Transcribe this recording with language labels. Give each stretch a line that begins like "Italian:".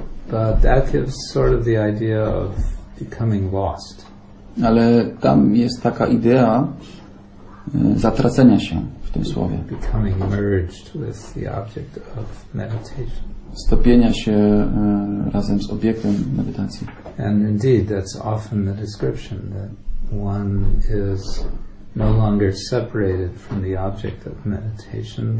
English: But that gives sort of the idea of becoming lost.
Polish: Ale tam jest taka idea zatracenia się w tym słowie.
English: Becoming merged with the object of meditation.
Polish: Stopienia się razem z obiektem medytacji.
English: And indeed, that's often the description, that one is no longer separated from the object of meditation.